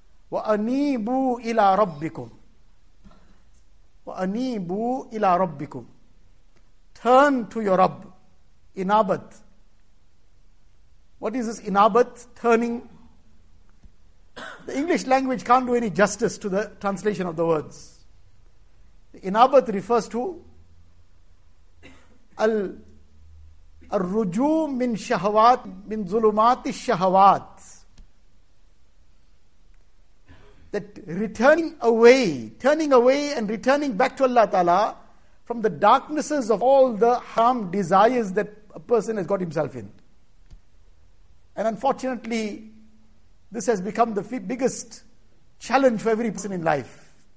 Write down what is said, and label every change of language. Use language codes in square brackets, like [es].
[ar] وَأَنِيبُوا إِلَىٰ رَبِّكُمْ وَأَنِيبُوا إِلَىٰ رَبِّكُمْ [en] Turn to your Rabb. Inabat. What is this inabat? Turning. The English language can't do any justice to the translation of the words. The inabat refers to [ar] الرجوع من شهوات من ظلمات الشهوات. [en] That returning away, turning away and returning back to Allah Ta'ala from the darknesses of all the haram desires that a person has got himself in. And unfortunately, this has become the biggest challenge for every person in life.